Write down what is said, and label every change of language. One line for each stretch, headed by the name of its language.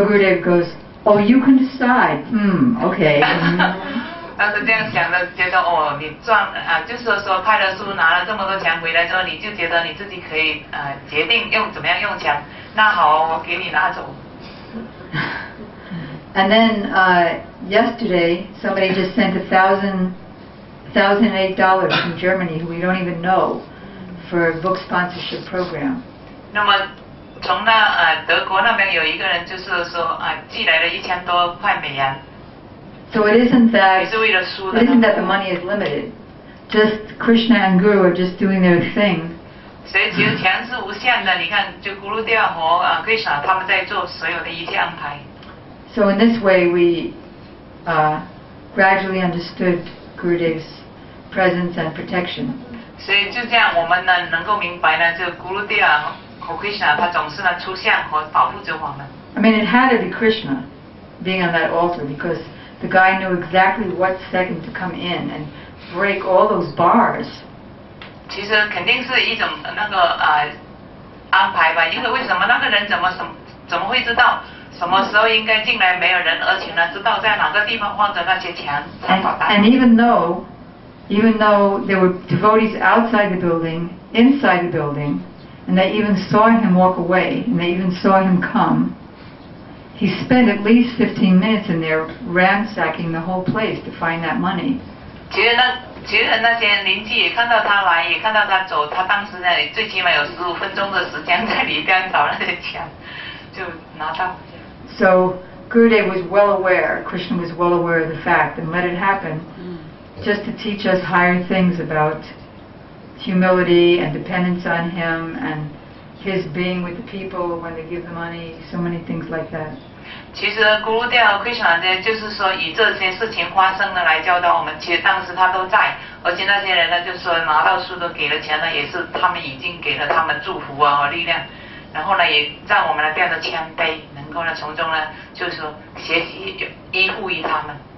English: Gurudev goes, "Oh, you can decide. Okay."
Chinese: 当时这样想的，觉得哦，你赚啊，就是说派了书拿了这么多钱回来之后，你就觉得你自己可以决定用怎么样用钱。那好，我给你拿走。And
English: then yesterday somebody just sent $1,008 from Germany, who we don't even know, for a book sponsorship program.
Chinese: 那么从德国那边有一个人就是说寄来了1000多块美元。
English: So it isn't that the money is limited. Just Krishna and Guru are just doing their thing. So in this way, we gradually understood Gurudev's presence and protection.
Chinese: 所以就这样，我们呢能够明白呢，这个 Gurudeva 和 Krishna 他总是呢出现和保护着我们。
English: I mean, it had to be Krishna being on that altar because the guy knew exactly what second to come in and break all those bars.
Chinese: 其实肯定是一种那个安排吧，因为为什么那个人怎么会知道什么时候应该进来没有人，而且呢知道在哪个地方放着那些钱藏宝袋。
English: And even though there were devotees outside the building, inside the building, and they even saw him walk away, and they even saw him come, he spent at least 15 minutes in there ransacking the whole place to find that money.
Chinese: 其实那些邻居也看到他来，也看到他走，他当时呢最起码有15分钟的时间在里边找那些钱，就拿到。
English: So Gurudev was well aware, Krishna was well aware of the fact and let it happen. Just to teach us higher things about humility and dependence on him and his being with the people when they give the money, so many things like that.
Chinese: 其实 Gurudev 和 Krishna 呢就是说以这些事情发生的来教导我们，其实当时他都在，而且那些人呢就是说拿到书都给了钱呢，也是他们已经给了他们祝福啊和力量，然后呢也让我们呢变得谦卑，能够呢从中呢就是说学习依附于他们。